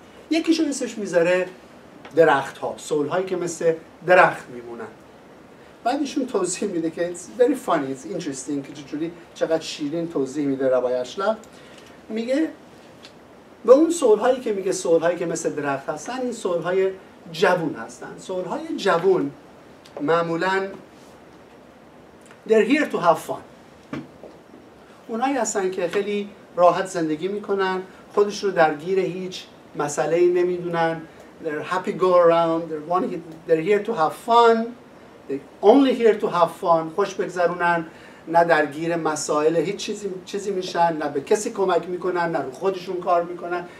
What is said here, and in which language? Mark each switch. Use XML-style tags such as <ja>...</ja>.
<fa>یکیشون اسمش میذاره درخت ها، سول هایی که مثل درخت میمونن. بعد ایشون توضیح میده که</fa> <en>it's very funny, it's interesting</en> <fa>که چجوری چقدر شیرین توضیح میده ربای اشلاق. میگه به اون سولهایی که میگه سولهایی که مثل درخت هستن، این سولهای جوون هستن. سولهای جوون معمولاً</fa> <en>they're here to have fun.</en> <fa>اونایی هستن که خیلی راحت زندگی میکنن، خودش رو درگیر هیچ مسئله‌ای نمیدونن.</fa> <en>They're happy go around, they're here to have fun. They're only here to have fun.</en> <fa>خوش بگذرونن، نه درگیر مسائل هیچ چیزی میشن، نه به کسی کمک میکنن، نه رو خودشون کار میکنن.</fa>